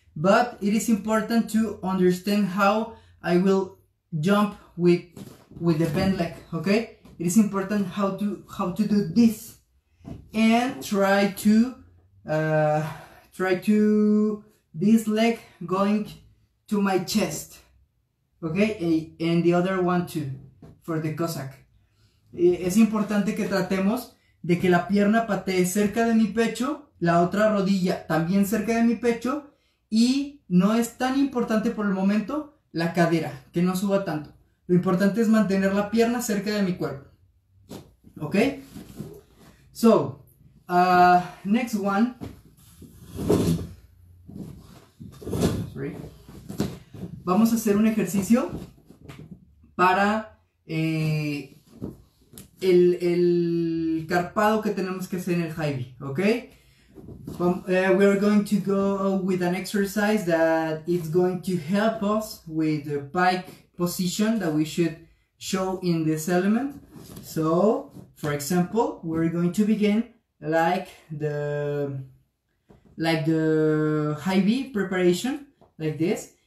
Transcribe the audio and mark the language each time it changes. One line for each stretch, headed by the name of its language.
English: But it is important to understand how I will jump with the bent leg, okay? It is important how to do this and try to this leg going to my chest, okay? And the other one too, for the Cossack.
Spanish: Es importante que tratemos de que la pierna patee cerca de mi pecho, la otra rodilla también cerca de mi pecho, y no es tan importante por el momento la cadera, que no suba tanto. Lo importante es mantener la pierna cerca de mi cuerpo. ¿Ok?
English: So, next one. Sorry.
Spanish: Vamos a hacer un ejercicio para el carpado que tenemos que hacer en el high knee. ¿Ok?
English: We are going to go with an exercise that is going to help us with the pike position that we should show in this element. So, for example, we're going to begin like the high V preparation, like this.